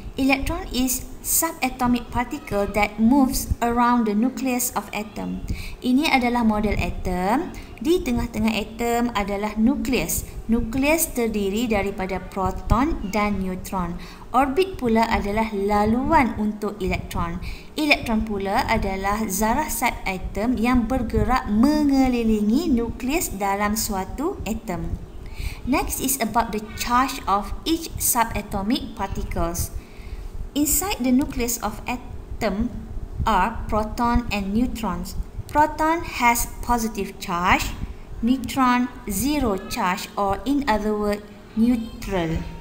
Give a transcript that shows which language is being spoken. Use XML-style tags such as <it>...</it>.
<en>Electron is subatomic particle that moves around the nucleus of atom.</en> <ms>Ini adalah model atom. Di tengah-tengah atom adalah nucleus. Nucleus terdiri daripada proton dan neutron. Orbit pula adalah laluan untuk elektron. Elektron pula adalah zarah subatom yang bergerak mengelilingi nukleus dalam suatu atom.</ms> <en>Next is about the charge of each subatomic particles. Inside the nucleus of atom are proton and neutrons. Proton has positive charge, neutron zero charge or in other word neutral.</en>